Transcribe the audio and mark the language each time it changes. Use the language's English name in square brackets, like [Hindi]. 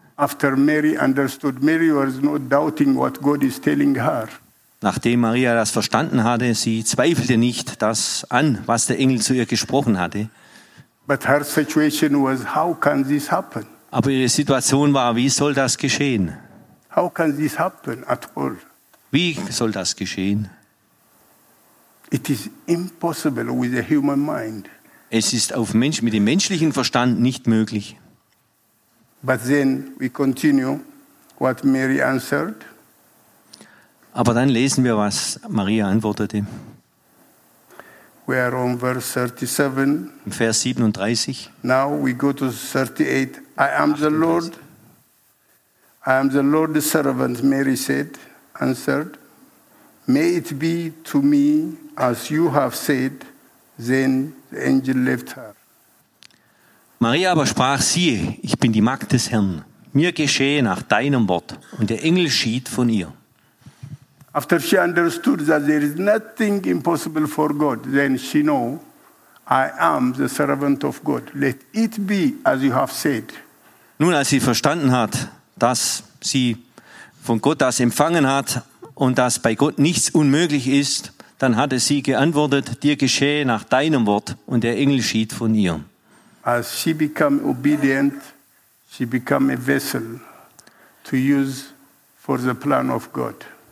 [English] After Mary understood, Mary was not doubting what God is telling her. [German] Nachdem Maria das verstanden hatte, sie zweifelte nicht das an, was der Engel zu ihr gesprochen hatte. [English] But her situation was, how can this happen? [German] Aber ihre Situation war, wie soll das geschehen? [English] How can this happen at all? [German] Wie soll das geschehen? [English] It is impossible with a human mind. [German] Es ist auf Mensch, mit dem menschlichen Verstand nicht möglich. [English] But then we continue what Mary answered. [German] Aber dann lesen wir, was Maria antwortete. [English] We are on verse 37. [German] Im Vers 37. [English] Now we go to 38. I am the Lord. I am the Lord's servant, Mary said, answered. May it be to me as you have said. Then the angel left her. [German] Maria aber sprach, siehe, ich bin die Magd des Herrn. Mir geschehe nach deinem Wort. Und der Engel schied von ihr. [English] After she understood that there is nothing impossible for God, then she knew, I am the servant of God. Let it be as you have said. [German] Nun, als sie verstanden hat, dass sie von Gott das empfangen hat und dass bei Gott nichts unmöglich ist, dann hatte sie geantwortet, dir geschehe nach deinem Wort, und der Engel schied von ihr. [English] As she became obedient, she became a vessel to use for the plan of God.